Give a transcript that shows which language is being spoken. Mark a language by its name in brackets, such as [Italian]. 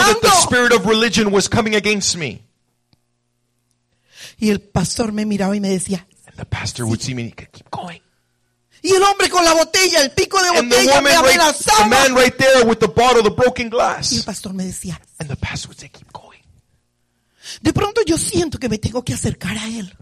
[English] I know that the spirit of religion was coming against me. [Spanish] Y el pastor me miraba y me decía [English] the pastor would see me and he could keep going. [Spanish] Y el hombre con la botella, el pico de botella me amenazaba. [English] The man right there with the bottle, the broken glass. [Spanish] Y el pastor me decía, [English] and the pastor would say, keep going. [Spanish] De pronto yo siento que me tengo que acercar a él.